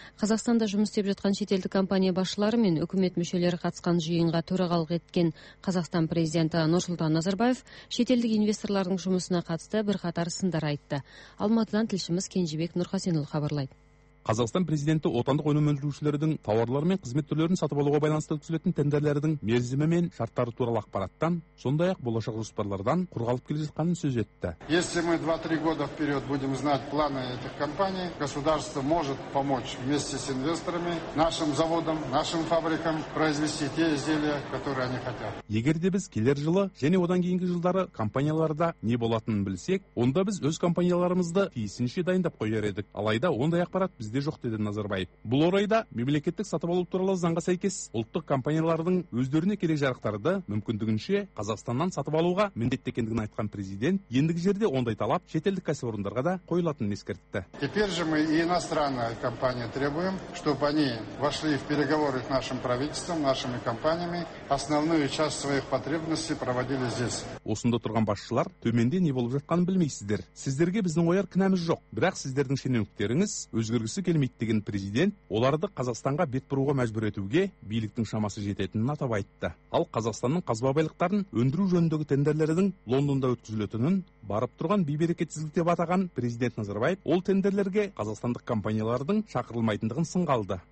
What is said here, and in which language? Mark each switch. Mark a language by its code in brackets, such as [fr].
[kk] Қазақстанда жұмыс істеп жатқан шетелдік компания басшылары мен үкімет мүшелері қатысқан жиынға төрағалық еткен Қазақстан президенті Нұрсұлтан Назарбаев шетелдік инвесторлардың жұмысына қатысты бірқатар сындар айтты. Алматыдан тілшіміз Кенжебек Нұрхасенұлы хабарлайды. Қазақстан президенті отандық өнім өндірушілердің тауарлар мен қызмет түрлерін сатып алуға байланысты өткізілетін тендерлердің мерзімі мен шарттары туралы ақпараттан, сондай-ақ болашақ жоспарлардан құрғалып келе жатқанын сөз етті. [ru] Если мы 2-3 года вперед будем знать планы этих компаний, государство может помочь вместе с инвесторами нашим заводам, нашим фабрикам произвести те изделия, которые они хотят. [kk] Егер де біз келер жылы және одан кейінгі жылдары компанияларда не болатынын білсек, онда біз өз компанияларымызды тиісінше дайындап қояр едік. Алайда ондай ақпарат бізде жоқ, деді Назарбаев. Бұл орайда мемлекеттік сатып алу туралы заңға сәйкес ұлттық компаниялардың өздеріне керек жарақтарды мүмкіндігінше Қазақстаннан сатып алуға міндетті екендігін айтқан президент, ендігі жерде ондай талап шетелдік кәсіпорындарға да қойылатынын ескертті. [ru] Теперь же мы иностранные компании требуем, чтобы они вошли в переговоры с нашим правительством, нашими компаниями, основную часть своих потребностей проводили здесь. [kk] Осында тұрған басшылар төменде не болып жатқанын білмейсіздер. Сіздерге біздің ойар кінәміз жоқ, бірақ сіздердің шенеуніктеріңіз өзгергісі келмейді деген президент оларды Қазақстанға бет бұруға мәжбүр етуге биліктің шамасы жететінін атап айтты. Ал Қазақстанның қазба байлықтарын өндіру жөніндегі тендерлердің Лондонда өткізілетінін барып тұрған бейберекетсіздік деп атаған президент Назарбаев ол тендерлерге қазақстандық компаниялардың шақырылмайтындығын сынға алды.